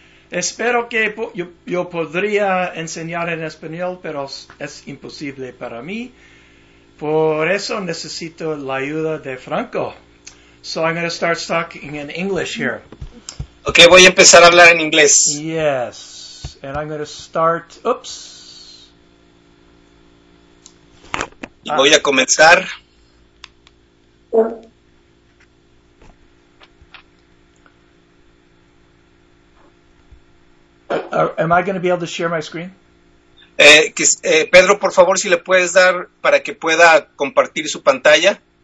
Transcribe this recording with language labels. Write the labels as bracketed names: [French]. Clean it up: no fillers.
[Spanish] Espero que yo podría enseñar en español, pero es imposible para mí. Por eso necesito la ayuda de Franco. [English] So I'm going to start talking in English here. [Spanish] Okay, voy a empezar a hablar en inglés. [English] Yes, and I'm going to start, oops. [Spanish] Y voy a comenzar. [English] Am I going to be able to share my screen? [Spanish] Pedro, por favor, si le puedes dar para que pueda compartir su pantalla.